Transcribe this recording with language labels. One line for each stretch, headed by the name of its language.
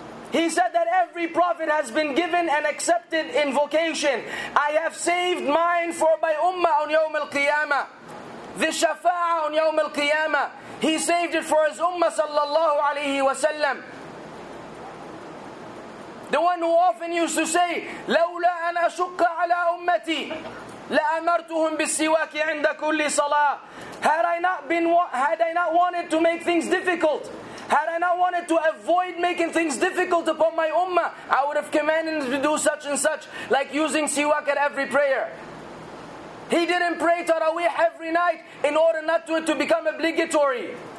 English: He said that every prophet has been given and accepted invocation. I have saved mine for my ummah on Yawm al-Qiyamah. The Shafa'ah on Yawm al-Qiyamah. He saved it for his ummah sallallahu alayhi wa sallam. The one who often used to say,
Arabic: لولا أن أشق على أمتي لأمرتهم بالسواك عند كل صلاة.
English: Had I not wanted to make things difficult, had I not wanted to avoid making things difficult upon my ummah, I would have commanded them to do such and such, like using siwak at every prayer. He didn't pray Taraweeh every night in order not to, to become obligatory.